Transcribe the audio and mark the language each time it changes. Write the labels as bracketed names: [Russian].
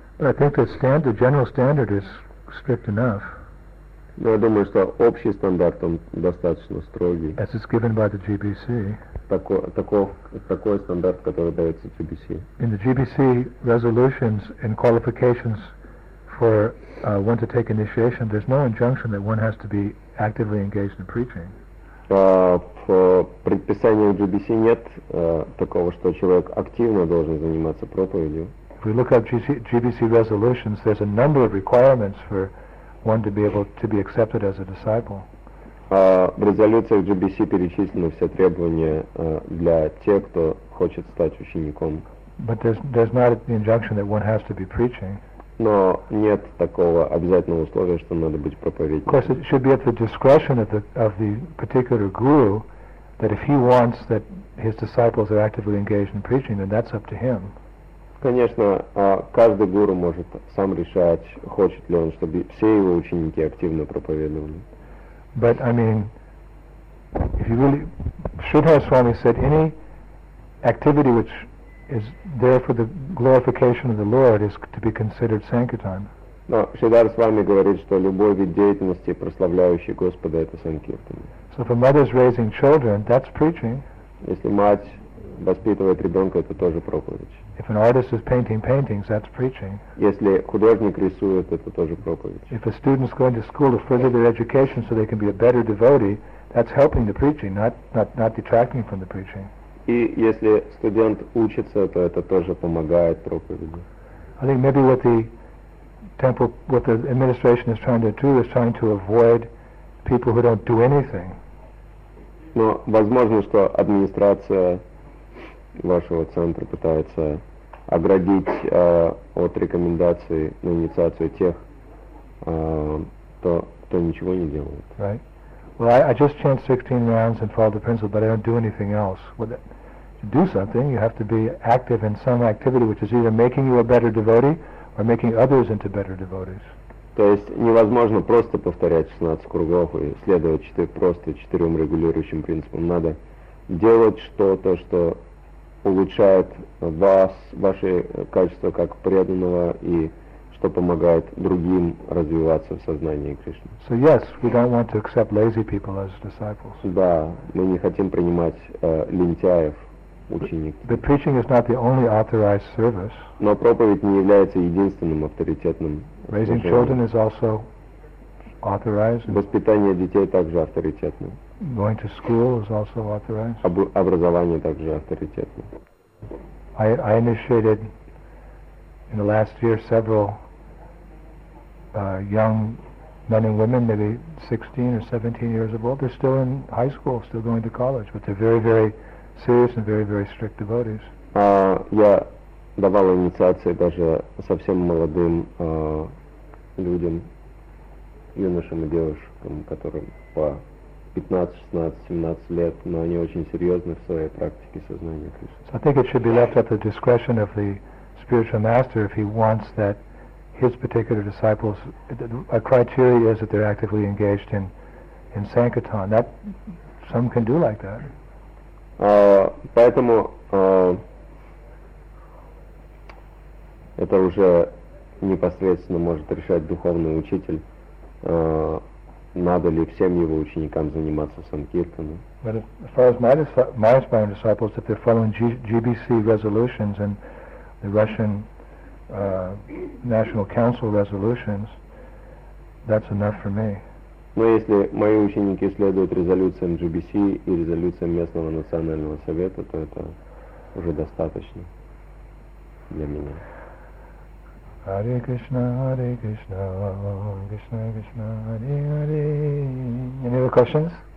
[English] But I think the general standard is strict enough. [Russian] Но я думаю, что общий стандарт он достаточно строгий. [English] As is given by the GBC. [Russian] Такой стандарт, который дается GBC. [English] In the GBC resolutions and qualifications for one to take initiation, there's no injunction that one has to be actively engaged in preaching. [Russian] В предписании GBC нет такого, что человек активно должен заниматься проповедью. [English] If we look at GBC resolutions, there's a number of requirements for one to be able to be accepted as a disciple. [Russian] В резолюциях GBC перечислены все требования для тех, кто хочет стать учеником. [English] But there's not an injunction that one has to be preaching. [Russian] Но нет такого обязательного условия, что надо быть проповедником. [English] Of course, it should be at the discretion of the particular guru that if he wants that his disciples are actively engaged in preaching, then that's up to him. [Russian] Конечно, каждый гуру может сам решать, хочет ли он, чтобы все его ученики активно проповедовали. [English] But I mean, if you really, Sridhara Swami said, any activity which is there for the glorification of the Lord is to be considered sankirtan. [Russian] Но Шридхара Свами говорит, что любой вид деятельности, прославляющий Господа, это санкиртан. [English] So if a mother is raising children, that's preaching. [Russian] Если мать воспитывает ребенка, это тоже проповедь. [English] If an artist is painting paintings, that's preaching. [Russian] Если художник рисует, это тоже проповедь. [English] If a student is going to school to further their education so they can be a better devotee, that's helping the preaching, not detracting from the preaching. [Russian] И если студент учится, то это тоже помогает проповеди. [English] I think maybe what the administration is trying to do is trying to avoid people who don't do anything. [Russian] Но возможно, что администрация вашего центра пытается оградить от рекомендации на инициацию тех, кто ничего не делает. [English] Right. Well, I just chant 16 rounds and follow the principle, but I don't do anything else. Well, to do something, you have to be active in some activity, which is either making you a better devotee or making others into better devotees. [Russian] То есть невозможно просто повторять 16 кругов и следовать просто четырем регулирующим принципам. Надо делать что-то, что улучшает вас, ваши качества как преданного и что помогает другим развиваться в сознании Кришны. [English] So yes, we don't want to accept lazy people as disciples. [Russian] Да, мы не хотим принимать лентяев учеников. [English] But preaching is not the only authorized service. [Russian] Но проповедь не является единственным авторитетным. [English] Raising children is also authorized. [Russian] Воспитание детей также авторитетно. [English] Going to school is also authorized. [Russian] Образование также авторитетно. [English] I initiated in the last year several young men and women, maybe 16 or 17 years of old. They're still in high school, still going to college, but they're very, very serious and very, very strict devotees. [Russian] Я давал инициации даже совсем молодым людям, юношам и девушкам, которым по 15-16-17 лет, но они очень серьезны в своей практике сознания Кришны. [English] So I think it should be left at the discretion of the spiritual master if he wants that his particular disciples, a criteria is that they're actively engaged in sankirtan. That some can do like that. [Russian] Поэтому это уже непосредственно может решать духовный учитель. Надо ли всем его ученикам заниматься санкиртаном? [English] But as far as my aspiring disciples, if they're following GBC resolutions and the Russian National Council resolutions, that's enough for me. [Russian] Но если мои ученики следуют резолюциям GBC и резолюциям местного национального совета, то это уже достаточно для меня. [English] Hare Krishna, Hare Krishna, Krishna Krishna, Hare Hare. Any other questions?